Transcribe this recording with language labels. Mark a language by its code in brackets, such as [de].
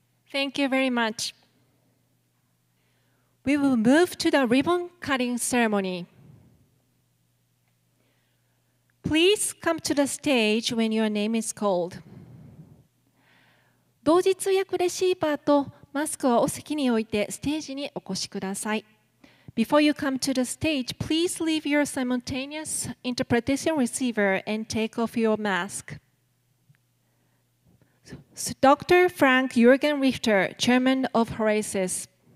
[en] Thank you very much. We will move to the ribbon cutting ceremony. Please come to the stage when your name is called. [ja] 同時通訳レシーバーとマスクをお席に置いてステージにお越しください。 [en] Before you come to the stage, please leave your simultaneous interpretation receiver and take off your mask. Dr. Frank-Jürgen Richter, Chairman of Horasis.